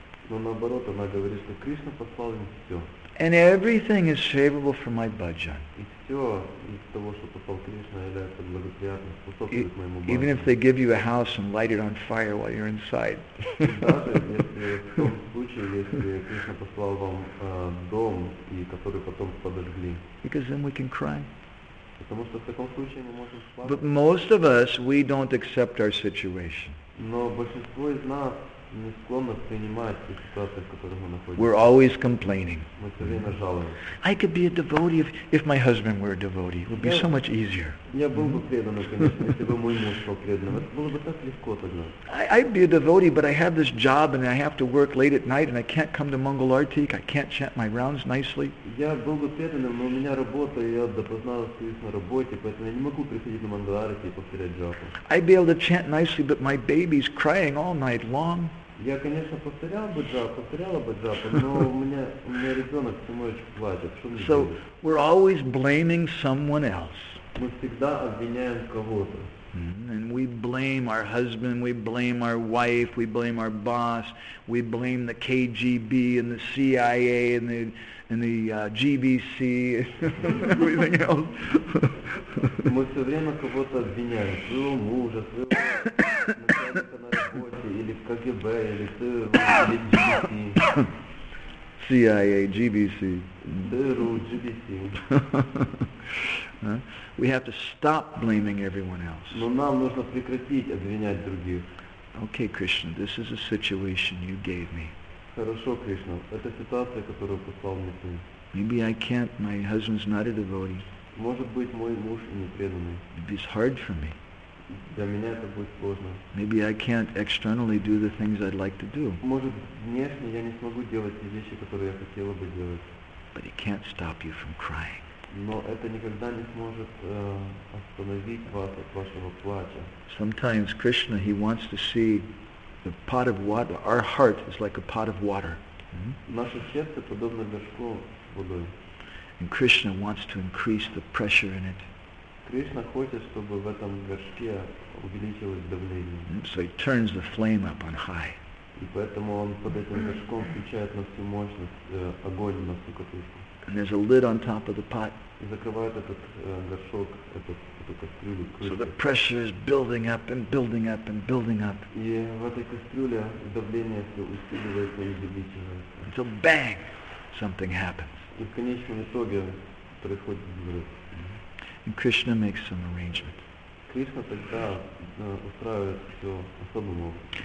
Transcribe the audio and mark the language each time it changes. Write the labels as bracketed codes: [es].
[ru] Но наоборот, она говорит, что Кришна послал им все. [en] And everything is favorable for my bhajan. [ru] И все из того, что послал Кришна, является благоприятным, способствует моему bhajan. [en] Even if they give you a house and light it on fire while you're inside. [ru] Даже если в том случае, если Кришна послал вам дом, и который потом подожгли. [en] Because then we can cry. [ru] Потому что в таком случае мы можем плакать. [en] But most of us, we don't accept our situation. [ru] Но большинство из нас не склонны принимать те ситуации, в которых мы находимся. [en] We're always complaining. [ru] Мы все время жалуемся. [en] I could be a devotee if my husband were a devotee. It would be so much easier. [ru] Я был бы преданным, конечно, если бы мой муж был преданным. Это было бы так легко тогда. [en] I'd be a devotee, but I have this job and I have to work late at night and I can't come to Mangal Arti. I can't chant my rounds nicely. [ru] Я был бы преданным, но у меня работа, и я допоздна остаюсь на работе, поэтому я не могу приходить на Мангал Арти и повторять джапу. [en] I'd be able to chant nicely, but my baby's crying all night long. [ru] Я, конечно, повторяла бы джапу, но у меня ребенок всю ночь плачет. [en] So we're always blaming someone else. [ru] Мы всегда обвиняем кого-то. [en] And we blame our husband, we blame our wife, we blame our boss, we blame the KGB and the CIA and the GBC and everything else. [ru] Мы все время кого-то обвиняем. Своего мужа, своего начальника на работе, или в КГБ, или в GBC. [en] CIA, GBC. [ru] ДРУ, GBC. [en] We have to stop blaming everyone else. [ru] Но нам нужно прекратить обвинять других. [en] Okay, Krishna, this is a situation you gave me. [ru] Хорошо, Кришна, это ситуация, которую послал мне ты. [en] Maybe I can't. My husband's not a devotee. [ru] Может быть, мой муж не преданный. [en] It's hard for me. [ru] Для меня это будет сложно. [en] Maybe I can't externally do the things I'd like to do. [ru] Может, внешне я не смогу делать те вещи, которые я хотела бы делать. [en] But it can't stop you from crying. [ru] Но это никогда не сможет остановить вас от вашего плача. [en] Sometimes Krishna, he wants to see the pot of water. Our heart is like a pot of water. [ru] Наше сердце подобно горшку с водой. [en] And Krishna wants to increase the pressure in it. [ru] Кришна хочет, чтобы в этом горшке увеличилось давление. [en] So he turns the flame up on high. [ru] И поэтому он под этим горшком включает на всю мощность огонь на всю катушку. [en] And there's a lid on top of the pot. [ru] И закрывает этот горшок, эту кастрюлю. [en] So the pressure is building up and building up and building up. [ru] И в этой кастрюле давление все усиливается и увеличивается. [en] Until bang, something happens. [ru] И в конечном итоге происходит взрыв. [en] And Krishna makes some arrangement. [ru] Кришна тогда устраивает все особым образом.